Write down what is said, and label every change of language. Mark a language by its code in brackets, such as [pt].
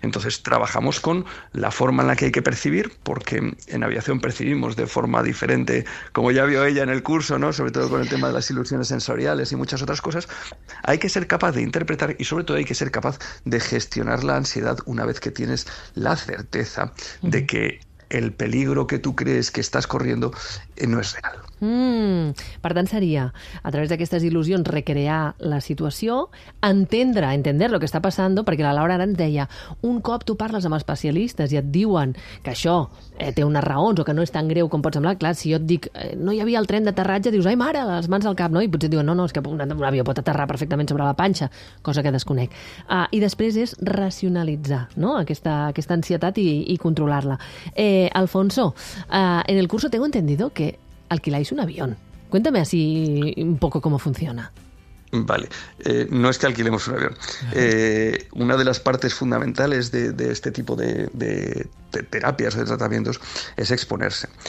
[es] Entonces trabajamos con la forma en la que hay que percibir, porque en aviación percibimos de forma diferente, como ya vio ella en el curso, ¿no? Sobre todo con el tema de las ilusiones sensoriales y muchas otras cosas. Hay que ser capaz de interpretar y sobre todo hay que ser capaz de gestionar la ansiedad una vez que tienes la certeza de que el peligro que tú crees que estás corriendo no és real. [ca] Per tant, seria, a través d'aquestes il·lusions, recrear la situació, [es] entender lo que [ca] està passant, perquè la Laura ara ens deia, un cop tu parles amb especialistes i et diuen que això té unes raons o que no és tan greu com pot semblar, clar, si jo et dic no hi havia el tren d'aterratge, dius, ai mare, les mans al cap, no? I potser et diuen, no, és que un avió pot aterrar perfectament sobre la panxa, cosa que desconec. I després és racionalitzar, no?, aquesta ansietat i controlar-la. [es] Alfonso, en el curso tengo entendido que alquiláis un avión. Cuéntame así un poco cómo funciona. Vale, no es que alquilemos un avión. Una de las partes fundamentales de este tipo de terapias o de tratamientos es exponerse.